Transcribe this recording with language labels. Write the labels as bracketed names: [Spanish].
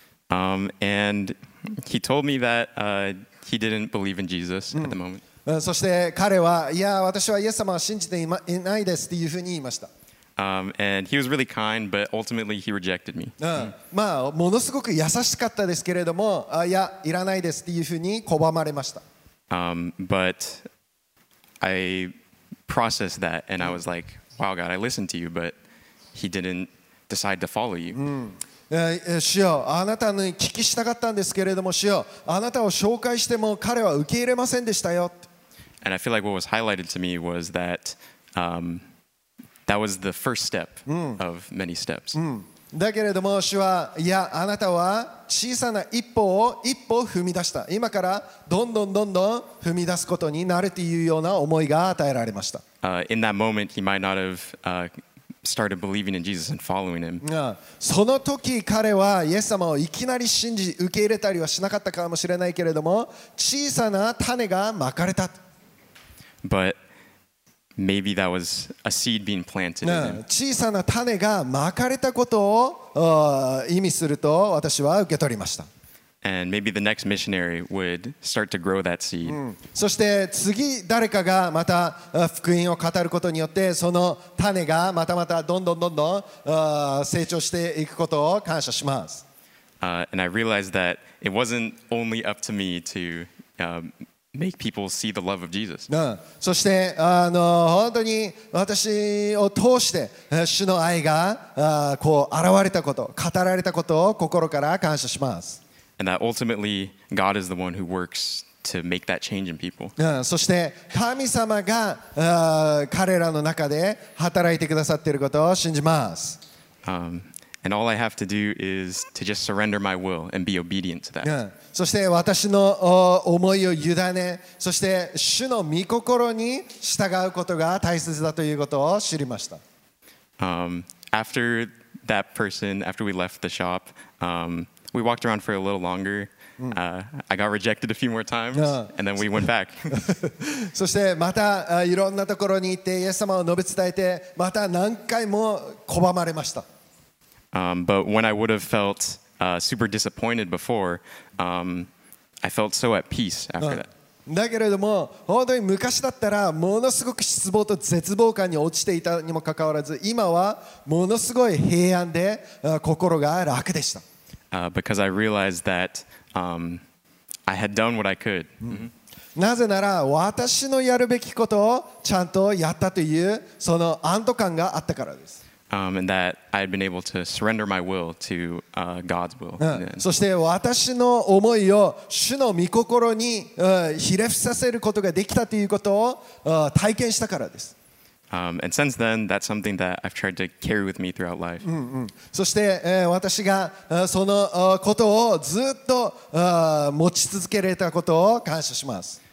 [English] And he told me that he didn't believe in Jesus at the moment. [Japanese] そして彼はいや私はイエス様は信じていないですっていうふうに言いました。 [English] And he was really kind, but ultimately he rejected me. [Japanese] まあものすごく優しかったですけれども、いやいらないですっていうふうに拒まれました。 [English] But I processed that and I was like, wow God, I listened to you, but he didn't decide to follow you. [Japanese] 主よあなたに聞きしたかったんですけれども、主よあなたを紹介しても彼は受け入れませんでしたよ。 [English] And I feel like what was highlighted to me was that that was the first step of many steps. [Japanese] だけれども主はいやあなたは小さな一歩を一歩踏み出した今からどんどんどんどん踏み出すことになるというような思いが与えられました、 [English] in that moment he might not have started believing in Jesus and following him. [Japanese] その時彼はイエス様をいきなり信じ受け入れたりはしなかったかもしれないけれども小さな種がまかれた [English] But maybe that was a seed being planted in him. [Japanese] 小さな種がまかれたことを意味すると私は受け取りました [English] And maybe the next missionary would start to grow that seed. [Japanese] そして次誰かがまた福音を語ることによってその種がまたまたどんどんどんどん成長していくことを感謝します。 [English] And I realized that it wasn't only up to me to make people see the love of Jesus. [Japanese] そして本当に私を通して主の愛がこう現れたこと、語られたことを心から感謝します。 [English] And that ultimately, God is the one who works to make that change in people. [Japanese] そして神様が彼らの中で働いてくださっていることを信じます。 [English] And all I have to do is to just surrender my will and be obedient to that. [Japanese] そして私の思いを委ね、そして主の御心に従うことが大切だということを知りました。 [English] After that person, after we left the shop, We walked around for a little longer. I got rejected a few more times, and then we went back. [Japanese] そしてまたいろんなところに行ってイエス様を述べ伝えてまた何回も拒まれました。 [English] But when I would have felt super disappointed before, I felt so at peace after that. [Japanese] だけれども本当に昔だったらものすごく失望と絶望感に落ちていたにもかかわらず今はものすごい平安で心が楽でした。 [English] Because I realized that I had done what I could. [Japanese] なぜなら私のやるべきことをちゃんとやったというその安堵感があったからです。 [English] And that I had been able to surrender my will to God's will. [Japanese] そして私の思いを主の御心にひれ伏させることができたということを体験したからです。 [English] And since then, that's something that I've tried to carry with me throughout life. [Japanese] そして、私が、そのことをずっと、持ち続けられたことを感謝します。